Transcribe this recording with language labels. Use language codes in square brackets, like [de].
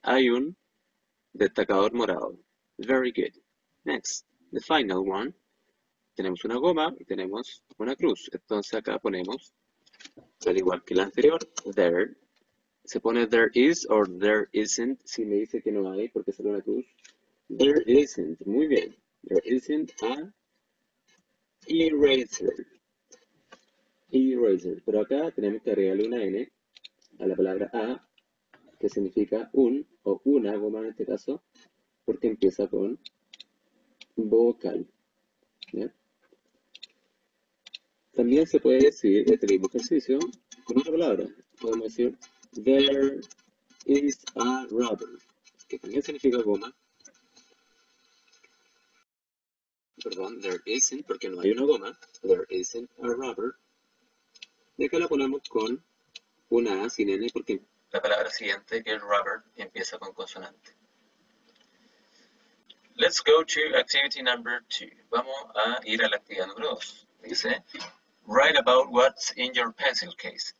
[es] Hay un destacador morado. [en] Very good. Next, the final one. [es] Tenemos una goma y tenemos una cruz. Entonces acá ponemos, al igual que la anterior, there. Se pone [en] there is or there isn't. [es] Si me dice que no hay porque sale una cruz. [en] There isn't. [es] Muy bien. [en] There isn't a eraser. Eraser. [es] Pero acá tenemos que agregarle una N a la palabra a, que significa un o una goma en este caso, porque empieza con vocal. ¿Ya? También se puede decir este mismo ejercicio con otra palabra. Podemos decir [en] there is a rubber, [es] que también significa goma. Perdón, [en] there isn't, [es] porque no hay una goma. [en] There isn't a rubber. [es] Y acá la ponemos con una A sin N, porque la palabra siguiente, que es rubber, empieza con consonante. [en] Let's go to activity number 2. [es] Vamos a ir a la actividad número 2. [en] Dice, write about what's in your pencil case.